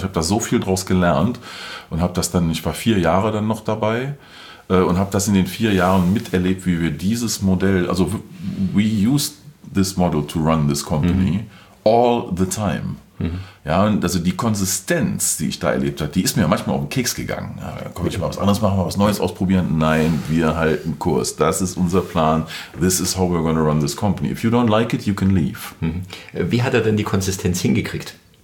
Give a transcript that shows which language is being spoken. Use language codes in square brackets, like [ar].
[de] Ich habe da so viel draus gelernt und habe das dann, ich war 4 Jahre dann noch dabei, und habe das in den 4 Jahren miterlebt, wie wir dieses Modell, also [en] we used this model to run this company all the time. [de] Ja, und also die Konsistenz, die ich da erlebt habe, die ist mir manchmal auf den Keks gegangen. Ja, komm, ich mal was anderes machen, mal was Neues ausprobieren. Nein, wir halten Kurs. Das ist unser Plan. [en] This is how we're going to run this company. If you don't like it, you can leave. [de] Wie hat er denn die Konsistenz hingekriegt?